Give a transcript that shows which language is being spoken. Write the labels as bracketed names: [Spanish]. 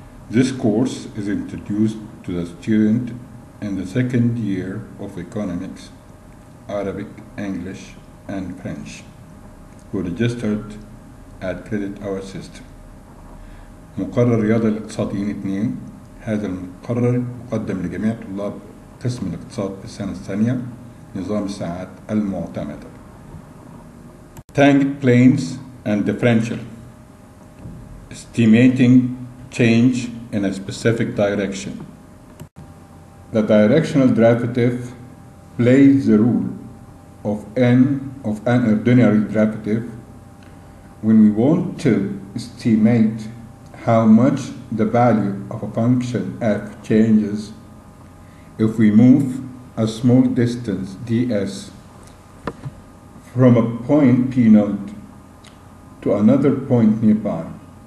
[English] This course is introduced to the student in the second year of Economics, Arabic, English, and French, who registered at Credit Our System. [Arabic] مقرر الرياضة الاقتصاديين 2 هذا المقرر مقدم لجميع طلاب قسم الاقتصاد في السنة الثانية نظام الساعات المعتمدة. [English] Tangent planes and differential, estimating change in a specific direction. The directional derivative plays the role of an ordinary derivative when we want to estimate how much the value of a function f changes if we move a small distance ds from a point P node to another point nearby.